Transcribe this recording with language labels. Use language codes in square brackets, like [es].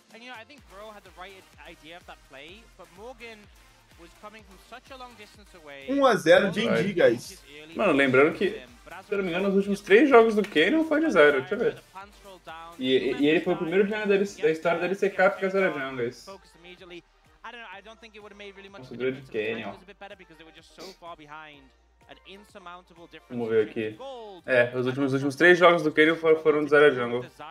[en] And you know, I think Bro had the right idea of that play, but Morgan was coming from such a long distance away. 1-0 Genji, guys. [pt] Mano, lembrando que, se não me engano, nos últimos 3 jogos do Kane foi de 0, deixa eu ver. E ele foi o primeiro jungler da história da LCK a ficar 0 junglers. [en] I don't know, I don't think it would have made really much difference if the time was a bit better because they were just so far behind. An insurmountable difference. [pt] Vamos ver aqui. É, os últimos três jogos do Canyon foram de Zyra Jungle.